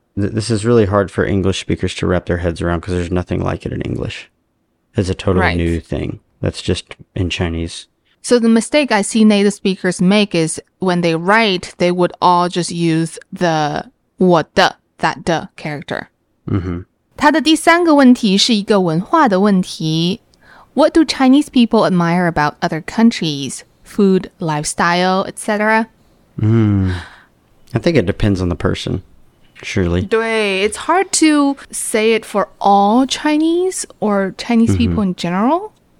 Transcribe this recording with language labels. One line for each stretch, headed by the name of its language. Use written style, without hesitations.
English: This is really hard for English speakers to wrap their heads around because there's nothing like it in English. It's a totally Right. new thing. That's just in Chinese. So the mistake I see native speakers make is when they write, they would all just use the 我的 that 的 character. Mm-hmm.
Chinese: 他的第三个问题是一个文化的问题。
English: What do Chinese people admire about other countries? Food, lifestyle, etc.、 Mm, I think it depends on the person, surely. 对 it's hard to say it for all Chinese or Chinese、mm-hmm. people in general.